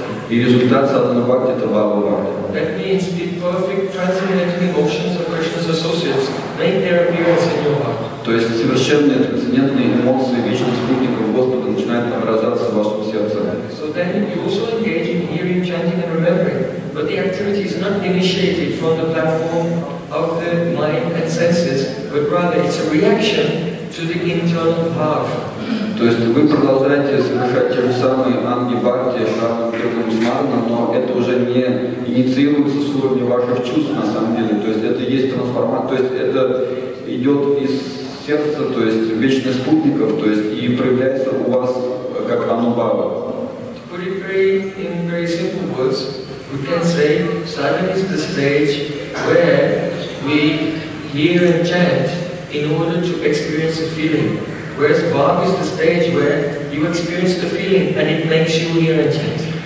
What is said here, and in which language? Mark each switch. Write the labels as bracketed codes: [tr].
[ru] И результат саддана бхакти – это бхава бхакти. [en] That means the perfect transcendental emotions of Krishna's associates make their appearance in your heart. [ru] То есть совершенные трансцендентные эмоции вечных спутников Господа начинают отражаться в вашем сердце. [en] So then you also engage in hearing, chanting and remembering, but the activity is not initiated from the platform of the mind and senses, but rather it's a reaction to the internal path. [ru] То есть вы продолжаете совершать те же самые анги бхакти, но это уже не инициируется с уровня ваших чувств на самом деле. То есть это есть трансформация, то есть это идет из сердца, то есть вечных спутников, то есть и проявляется у вас как анубава. [en] To put it in very simple words, we can say sadhana is the stage where we hear and chant in order to experience a feeling. Whereas bhava is the stage where you experience the feeling and it makes you hear and chant.